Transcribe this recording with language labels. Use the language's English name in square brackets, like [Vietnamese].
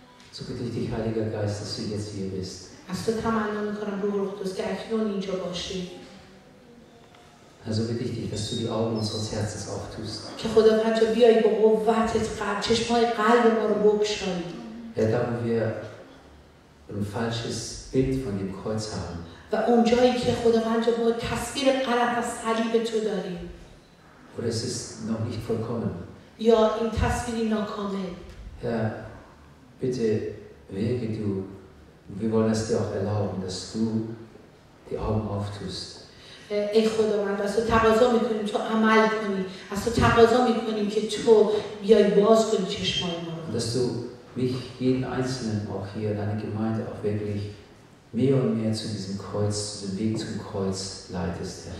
[German] So bitte ich dich, Heiliger Geist, dass du jetzt hier bist. [Persian] از تو تمنا میکنم روح القدس که اکنون اینجا باشی. [German] Also bitte ich dich, dass du die Augen unseres Herzens auftust. [Persian] که خداوند تو بیای با قوتت چشمهای قلب ما رو بگشایی. [German] Herr, da wo wir ein falsches Bild von dem Kreuz haben. [Persian] و اونجایی که خداوند با تصویر غلط از صلیب تو داری. [German] Oder es ist noch nicht vollkommen. [Persian] یا این تصویری ناکامل. [German] Herr, bitte wirke du. Wir wollen es dir auch erlauben, dass du die Augen auftust. [Persian] ای خداوند، از تو تقاضا میکنیم تو عمل کنی. از تو تقاضا میکنیم که تو بیای باز کنی چشمای ما رو. [German] Mich, jeden Einzelnen, auch hier, deine Gemeinde, auch wirklich mehr und mehr zu diesem Kreuz, zu dem Weg zum Kreuz leitest,